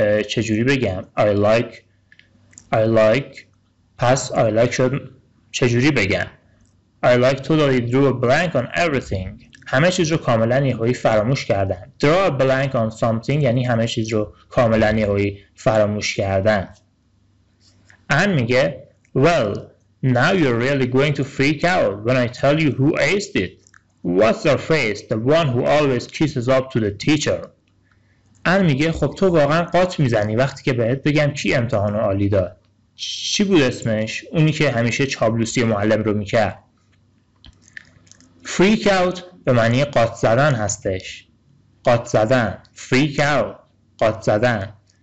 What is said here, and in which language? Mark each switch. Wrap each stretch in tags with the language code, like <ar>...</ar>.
<fa>چجوری بگم</fa> <en>I like</en> <fa>پس I like شد چجوری بگم.</fa> <en>I like totally drew a blank on everything.</en> <fa>همه چیز رو کاملا یهویی فراموش کردم.</fa> <en>Draw a blank on something</en> <fa>یعنی همه چیز رو کاملا یهویی فراموش کردم. آن میگه</fa> <en>Well, now you're really going to freak out when I tell you who aced it. What's her face? The one who always kisses up to the teacher.</en> <fa>آن میگه خب تو واقعا قاطع میزنی وقتی که بهت بگم کی امتحانو عالی داد. چی بود اسمش؟ اونی که همیشه چابلوسی معلم رو میکرد.</fa> <en>Freak out</en> <fa>به معنی قاطع زدن هستش. قاطع زدن.</fa> <en>Freak out.</en> <fa>قاطع زدن.</fa>